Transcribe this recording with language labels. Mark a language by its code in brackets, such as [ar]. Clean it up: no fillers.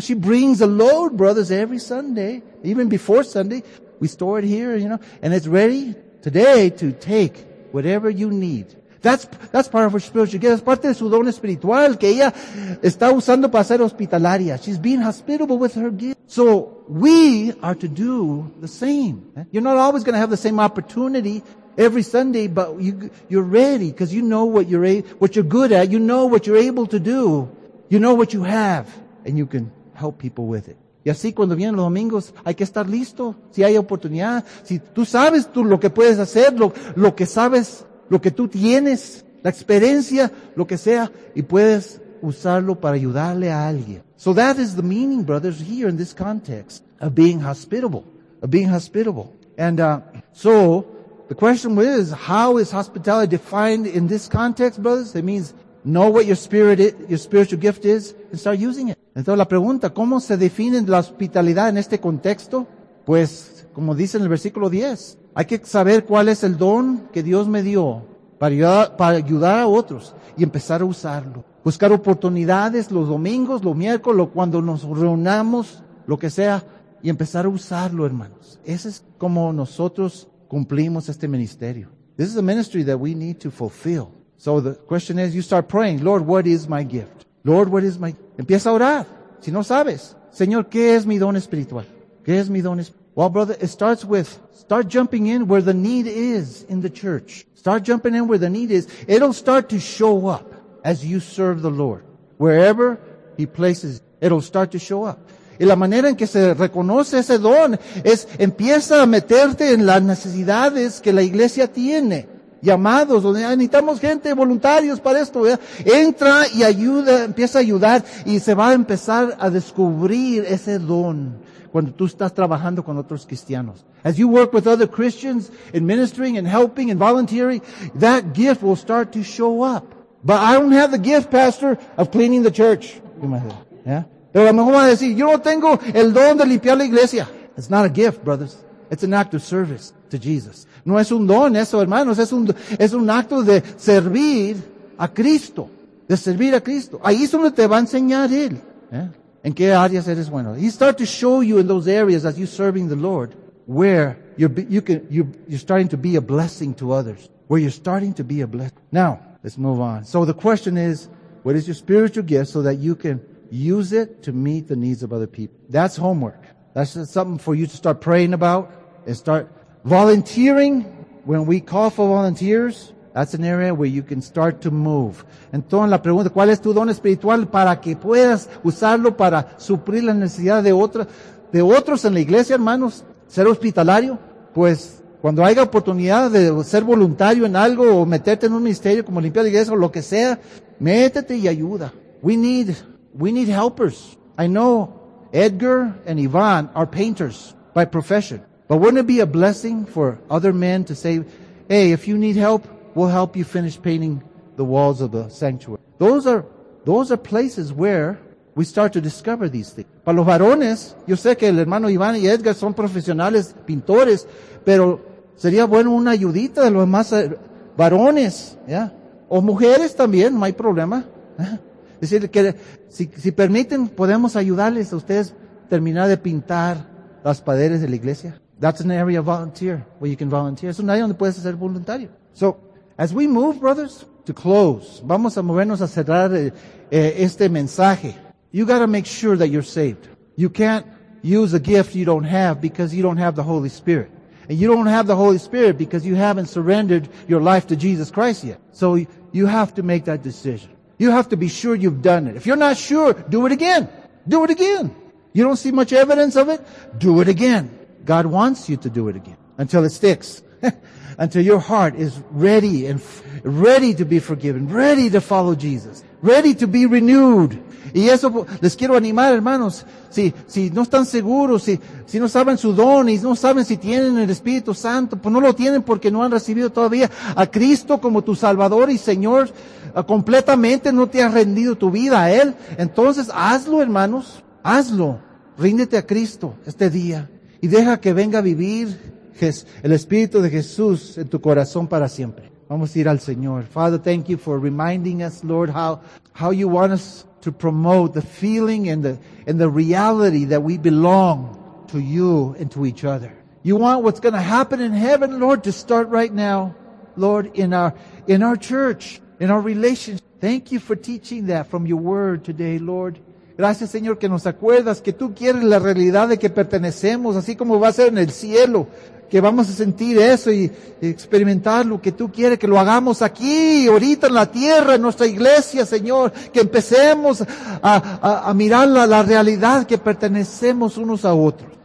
[en] She brings a load, brothers, every Sunday, even before Sunday. We store it here, you know, and it's ready today to take whatever you need. That's part of her spiritual gift. That's [es] parte de su don espiritual que ella está usando para ser hospitalaria. [en] She's being hospitable with her gift. So we are to do the same. You're not always going to have the same opportunity every Sunday, but you're ready because you know what you're good at. You know what you're able to do. You know what you have, and you can help people with it. [es] Y así cuando vienen los domingos, hay que estar listo. Si hay oportunidad, si tú sabes tú lo que puedes hacer, lo que sabes. Lo que tú tienes, la experiencia, lo que sea, y puedes usarlo para ayudarle a alguien. [en] So that is the meaning, brothers, here in this context of being hospitable. Of being hospitable. And so the question is, how is hospitality defined in this context, brothers? It means know what your spiritual gift is and start using it. [es] Entonces la pregunta, ¿cómo se define la hospitalidad en este contexto? Pues, como dice en el versículo 10, hay que saber cuál es el don que Dios me dio para ayudar a otros y empezar a usarlo. Buscar oportunidades los domingos, los miércoles, cuando nos reunamos, lo que sea, y empezar a usarlo, hermanos. Ese es como nosotros cumplimos este ministerio. [en] This is a ministry that we need to fulfill. So the question is, you start praying, Lord, what is my gift? Lord, what is my... [es] Empieza a orar. Si no sabes, Señor, ¿qué es mi don espiritual? ¿Qué es mi don espiritual? [en] Well, brother, it starts with, start jumping in where the need is in the church. Start jumping in where the need is. It'll start to show up as you serve the Lord. Wherever He places, it'll start to show up. [es] Y la manera en que se reconoce ese don es, empieza a meterte en las necesidades que la iglesia tiene. Llamados, donde necesitamos gente, voluntarios para esto. ¿Verdad? Entra y ayuda, empieza a ayudar y se va a empezar a descubrir ese don. Cuando tú estás trabajando con otros cristianos. [en] As you work with other Christians in ministering and helping and volunteering, that gift will start to show up. But I don't have the gift, pastor, of cleaning the church. Yeah? [es] Pero a lo mejor van a decir, yo no tengo el don de limpiar la iglesia. [en] It's not a gift, brothers. It's an act of service to Jesus. [es] No es un don eso, hermanos. Es un acto de servir a Cristo. De servir a Cristo. Ahí es donde te va a enseñar Él. Yeah? ¿En qué áreas eres bueno? [en] He starts to show you in those areas as you're serving the Lord where you're starting to be a blessing to others. Where you're starting to be a blessing. Now, let's move on. So the question is, what is your spiritual gift so that you can use it to meet the needs of other people? That's homework. That's something for you to start praying about and start volunteering. When we call for volunteers, that's an area where you can start to move. [es] Entonces, la pregunta, ¿cuál es tu don espiritual para que puedas usarlo para suplir la necesidad de otros en la iglesia, hermanos? ¿Ser hospitalario? Pues, cuando haya oportunidad de ser voluntario en algo o meterte en un ministerio como limpiar la iglesia o lo que sea, métete y ayuda. [en] We need helpers. I know Edgar and Yvonne are painters by profession. But wouldn't it be a blessing for other men to say, hey, if you need help, we'll help you finish painting the walls of the sanctuary. Those are places where we start to discover these things. [es] Para los varones, yo sé que el hermano Iván y Edgar son profesionales pintores, pero sería bueno una ayudita de los demás varones, yeah? O mujeres también, no hay problema. Es decir, que si permiten, podemos ayudarles a ustedes terminar de pintar las paredes de la iglesia. [en] That's an area of volunteer, where you can volunteer. [es] Es un área donde puedes ser voluntario. [en] So, as we move, brothers, to close, [es] vamos a movernos a cerrar este mensaje. [en] You got to make sure that you're saved. You can't use a gift you don't have because you don't have the Holy Spirit. And you don't have the Holy Spirit because you haven't surrendered your life to Jesus Christ yet. So you have to make that decision. You have to be sure you've done it. If you're not sure, do it again. Do it again. You don't see much evidence of it? Do it again. God wants you to do it again until it sticks. Until your heart is ready and ready to be forgiven, ready to follow Jesus, ready to be renewed. [es] Y eso les quiero animar, hermanos. Si no están seguros, si no saben su don y no saben si tienen el Espíritu Santo, pues no lo tienen porque no han recibido todavía a Cristo como tu Salvador y Señor, completamente no te has rendido tu vida a Él. Entonces hazlo, hermanos, hazlo. Ríndete a Cristo este día y deja que venga a vivir el Espíritu de Jesús en tu corazón para siempre. Vamos a ir al Señor. [en] Father, thank you for reminding us, Lord, how you want us to promote the feeling and the reality that we belong to you and to each other. You want what's going to happen in heaven, Lord, to start right now, Lord, in our church, in our relationship. Thank you for teaching that from your word today, Lord. [es] Gracias, Señor, que nos acuerdas que tú quieres la realidad de que pertenecemos, así como va a ser en el cielo. Que vamos a sentir eso y experimentar lo que tú quieres, que lo hagamos aquí, ahorita en la tierra, en nuestra iglesia, Señor. Que empecemos a mirar la realidad que pertenecemos unos a otros.